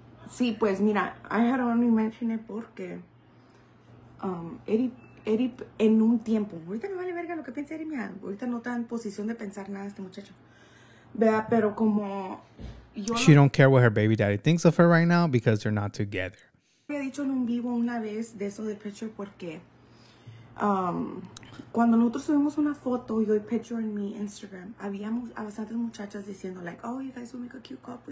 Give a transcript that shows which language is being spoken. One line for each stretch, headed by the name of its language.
Spanish: Sí, pues mira,
English: I had only mentioned it
Spanish: porque Eric en un tiempo, ahorita me vale verga lo que piensa Eric, mija, ahorita no está en posición de pensar nada este muchacho, ¿verdad? Pero como
English: yo she don't care what her baby daddy thinks of her right now because they're not together.
Spanish: Me he dicho en un vivo una vez de eso de Petro porque cuando nosotros subimos una foto, yo y Petro en mi Instagram, habíamos a bastantes muchachas diciendo like,
English: oh, you guys will make a cute couple.